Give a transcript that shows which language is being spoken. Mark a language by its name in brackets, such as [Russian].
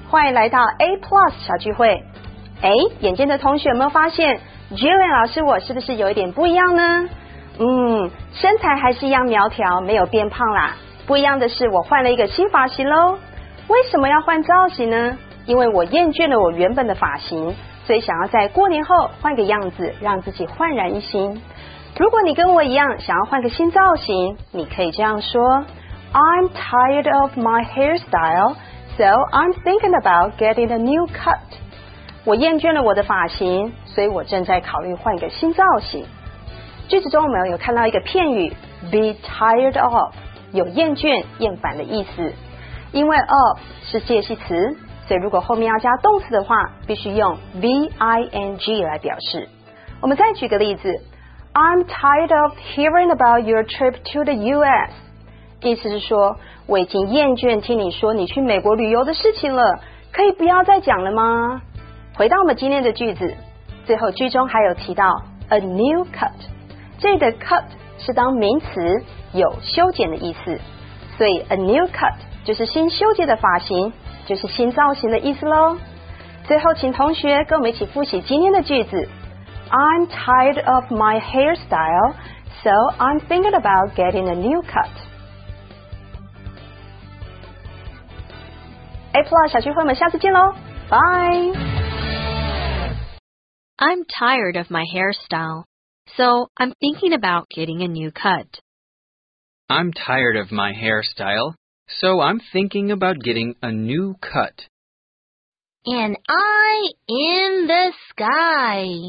[Chinese] 欢迎来到 A Plus 小聚会。哎，眼尖的同学有没有发现 Jillian 老师我是不是有一点不一样呢？身材还是一样苗条，没有变胖啦。不一样的是，我换了一个新发型喽。为什么要换造型呢？因为我厌倦了我原本的发型，所以想要在过年后换个样子，让自己焕然一新。如果你跟我一样想要换个新造型，你可以这样说 [English] I'm tired of my hairstyle, so I'm thinking about getting a new cut. [Chinese] 我厌倦了我的发型，所以我正在考虑换个新造型。句子中我们有看到一个片语 be tired of, 有厌倦、厌烦的意思。因为 of 是介系词，所以如果后面要加动词的话，必须用 V-I-N-G 来表示。我们再举个例子， [English] I'm tired of hearing about your trip to the U.S. [Chinese] 意思是说，我已经厌倦听你说你去美国旅游的事情了，可以不要再讲了吗？回到我们今天的句子，最后句中还有提到 a new cut， 这里的 cut 是当名词，有修剪的意思，所以 a new cut 就是新修剪的发型，就是新造型的意思咯。最后请同学跟我们一起复习今天的句子， [English] I'm tired of my hairstyle, so I'm thinking about getting a new cut. [Chinese] A Plus 小聚会，我们下次见喽，拜。 [English] I'm tired of my hairstyle, so I'm thinking about getting a new cut. I'm tired of my hairstyle, so I'm thinking about getting a new cut. An eye in the sky.